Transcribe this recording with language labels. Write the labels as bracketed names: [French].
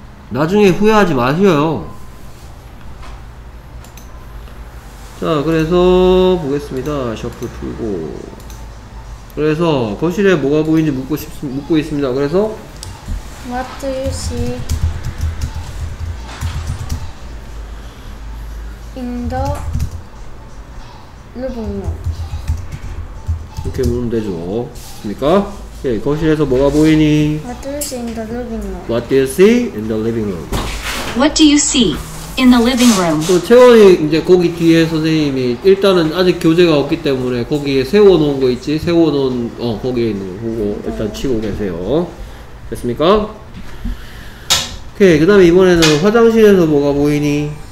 [Korean] 나중에 후회하지 마세요. 자, 그래서 보겠습니다. 셔플 풀고. 그래서 거실에 뭐가 보이는지 묻고 있습니다. 그래서 [English] What do you see in the living room? [Korean] 이렇게 묻으면 되죠. 그러니까 오케이, 거실에서 뭐가 보이니? [English] What do you see in the living room? What do you see in the living room? What do you see? In the living room. [Korean] 또 채원이 이제 거기 뒤에 선생님이 일단은 아직 교재가 없기 때문에 거기에 세워놓은 거 있지? 세워놓은 거기에 있는 거 보고 일단 치고 계세요. 됐습니까? 오케이. 그 다음에 이번에는 화장실에서 뭐가 보이니?